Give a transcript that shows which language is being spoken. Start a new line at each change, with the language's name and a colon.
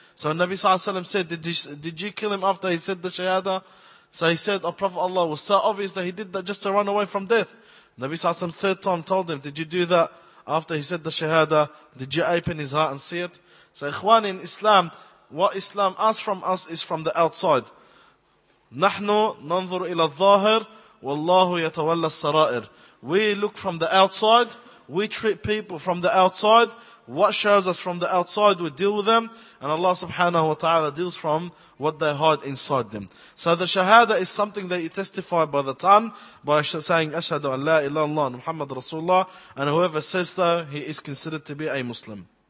English: So Nabi Sallallahu Alaihi Wasallam said, did you kill him after he said the Shahada? So he said the Prophet Allah was so obvious that he did that just to run away from death. Nabi Sallallahu Alaihi Wasallam third time told him, did you do that after he said the Shahada? Did you open his heart and see it? So ikhwan in Islam, what Islam asks from us is from the outside.
Arabic: نحن ننظر إلى الظاهر والله يتولى السرائر.
English: We look from the outside, we treat people from the outside, what shows us from the outside, we deal with them, and Allah subhanahu wa ta'ala deals from what they hide inside them. So the shahada is something that you testify by the tongue, by saying, Ashhadu an la ilaha illallah Muhammad Rasulullah, and whoever says that, he is considered to be a Muslim.